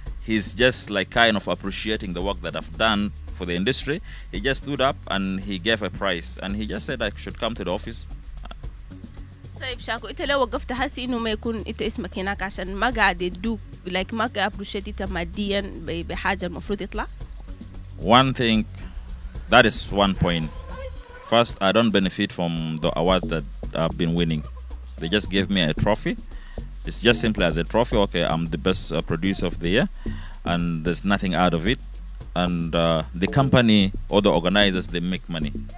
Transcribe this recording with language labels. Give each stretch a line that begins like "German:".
English: He's just like kind of appreciating the work that I've done for the industry. He just stood up and he gave a prize and he just said I should come to the office.
Arabic: طيب شاكو انت لو وقفت حاسس انه ما يكون انت اسمك هناك عشان ما قاعد يدوك لايك ما قاعد ابروشيت انت ماديا بحاجه المفروض يطلع؟
English: One thing, that is one point. First, I don't benefit from the award that I've been winning. They just gave me a trophy. It's just simply as a trophy. Okay, I'm the best producer of the year and there's nothing out of it. And the company or the organizers, they make money.